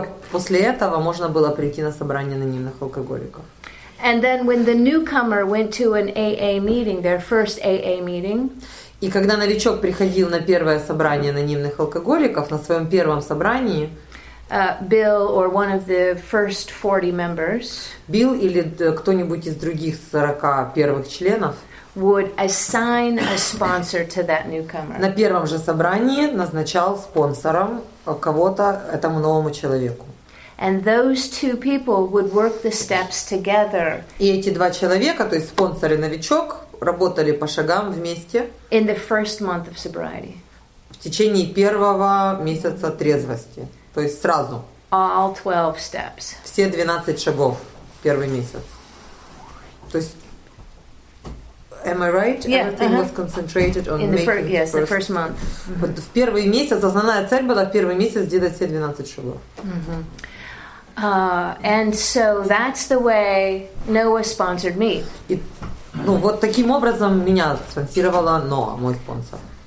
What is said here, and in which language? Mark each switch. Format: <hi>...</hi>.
<ru>После этого можно было прийти на собрание анонимных алкоголиков.</ru> <en>And then when the newcomer went to an AA meeting, their first AA meeting.</en> <ru>И когда новичок приходил на первое собрание анонимных алкоголиков, на своем первом собрании.</ru> <en>Bill or one of the first 40 members.</en> <ru>Bill или кто-нибудь из других 40 первых членов.</ru> <en>Would assign a sponsor to that newcomer.</en> <ru>На первом же собрании назначал спонсором кого-то этому новому человеку.</ru> <en>And those two people would work the steps together.</en> <ru>И эти два человека, то есть спонсор и новичок, работали по шагам вместе.</ru> <en>In the first month of sobriety.</en> <ru>В течение первого месяца трезвости. То есть сразу.</ru> <en>All 12 steps.</en> <ru>Все 12 шагов первый месяц. То есть,</ru> <en>am I right? Yeah, everything was concentrated on in the first month.</en> <ru>Вот в первый месяц, основная цель была в первый месяц сделать все 12 шагов.</ru> <en>And so that's the way Noah sponsored me.</en> <ru>И, ну, вот таким образом меня спонсировала Ноа, мой спонсор.</ru>